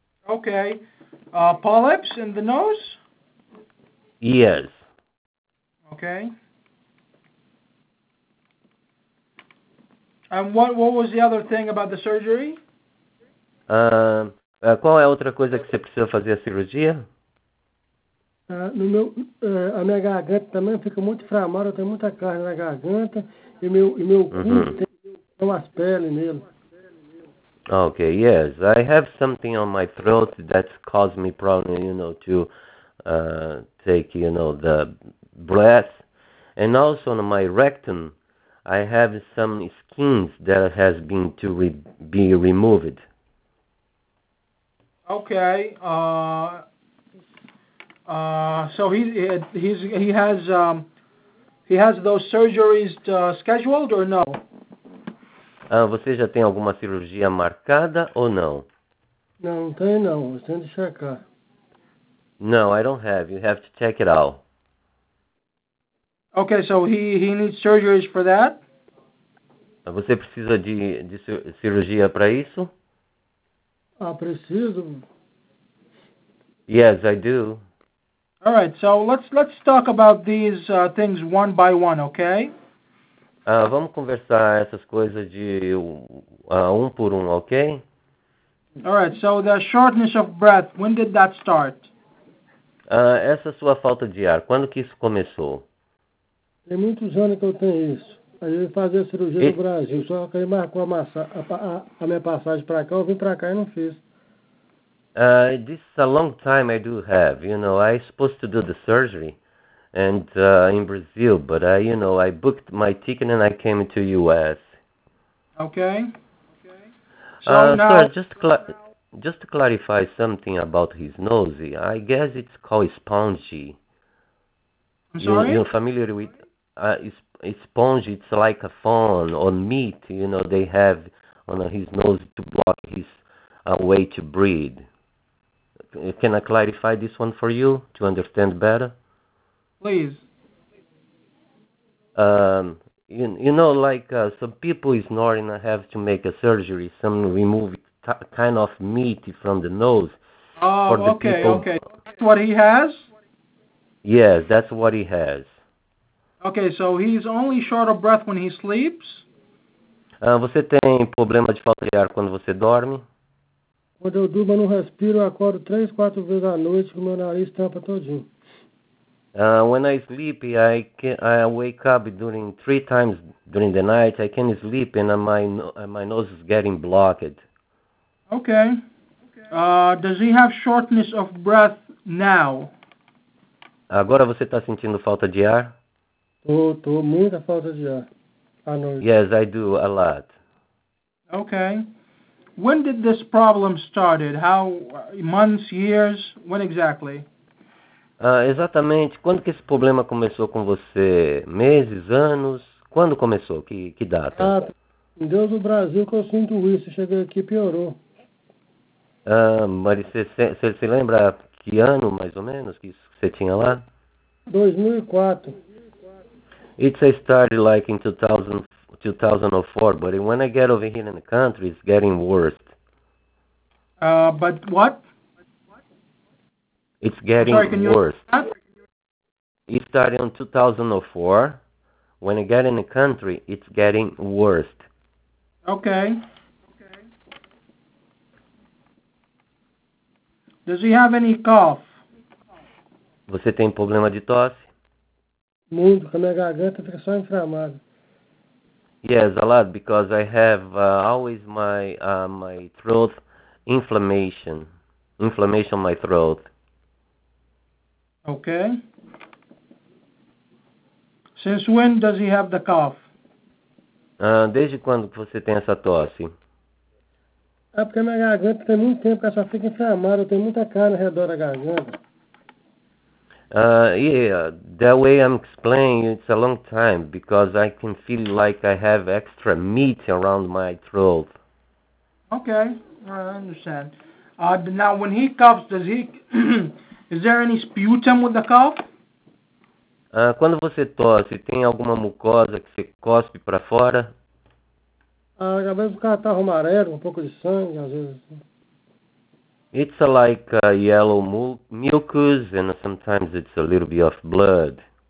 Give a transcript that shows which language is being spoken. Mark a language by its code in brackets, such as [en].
[en] Okay. Polyps in the nose? Yes. Okay. And what was the other thing about the surgery? [pt] Qual é a outra coisa que você precisa fazer a cirurgia? A minha garganta também fica muito inflamada, eu tenho muita carne na garganta e meu uh-huh. cu tem umas peles nele. [en] Okay, yes. I have something on my throat that's caused me problem, you know, to take, you know, the breath. And also on my rectum, I have some skins that has been to be removed. Okay. So he has those surgeries scheduled or no? [pt] Você já tem alguma cirurgia marcada ou não? Não tem não. Eu tenho que checar. [en] No, I don't have. You have to check it out. Okay. So he needs surgeries for that. [pt] Você precisa de cirurgia para isso? Preciso. [en] Yes, I do. All right, so let's talk about these things one by one, okay? [pt] Vamos conversar essas coisas de um por um, okay? [en] All right, so the shortness of breath, when did that start? [pt] Essa sua falta de ar, quando que isso começou? Tem muitos anos que eu tenho isso. A gente fazia cirurgia no Brasil, só que ele marcou a minha passagem para cá, eu vim para cá e não fiz. [en] This is a long time I do have, you know, I supposed to do the surgery and in Brazil, but I, you know, I booked my ticket and I came to U.S. Okay. So sir, just to clarify something about his nose, I guess it's called spongy. I'm sorry? You're familiar with spongy, it's like a phone or meat, you know, they have on his nose to block his way to breathe. Can I clarify this one for you to understand better? Please. You know, like some people snoring and have to make a surgery, some remove kind of meat from the nose. Okay. That's what he has? Yes, that's what he has. Okay, so he's only short of breath when he sleeps? [pt] Você tem problema de falta de ar quando você dorme? Quando eu durmo, eu não respiro, eu acordo 3-4 vezes à noite, com meu nariz tampa todinho. [en] When I sleep, I wake up during 3 times during the night, I can sleep and my nose is getting blocked. Okay. Does he have shortness of breath now? [pt] Agora você está sentindo falta de ar? Tô muita falta de ar à noite. [en] Yes, I do, a lot. Okay. When did this problem started? How, months, years? When exactly? [pt] Exatamente. Quando que esse problema começou com você? Meses, anos? Quando começou? Que data? Em Deus do Brasil que eu sinto isso. Cheguei aqui e piorou. Mas você se lembra que ano, mais ou menos, que você tinha lá? 2004. [en] It started like in 2004, but when I get over here in the country, it's getting worse. But what? It's getting worse. It started in 2004. When I get in the country, it's getting worse. Okay. Does he have any cough? [pt] Você tem problema de tosse? muito, porque a minha garganta fica só inflamada. [en] Yes, a lot, because I have always my my throat inflammation. Inflammation on my throat. Okay. Since when does he have the cough? [pt] Desde quando você tem essa tosse? Ah, porque a minha garganta tem muito tempo que ela só fica inflamada. Tem muita carne ao redor da garganta. [en] That way I'm explaining, it's a long time because I can feel like I have extra meat around my throat. Okay, I understand. Now, when he coughs, does he? Is there any sputum with the cough? [pt] Quando você tosse, tem alguma mucosa que você cospe para fora? Às vezes o cara tá amarelo, um pouco de sangue, às vezes. [en] It's like yellow mucus, and sometimes it's a little bit of blood.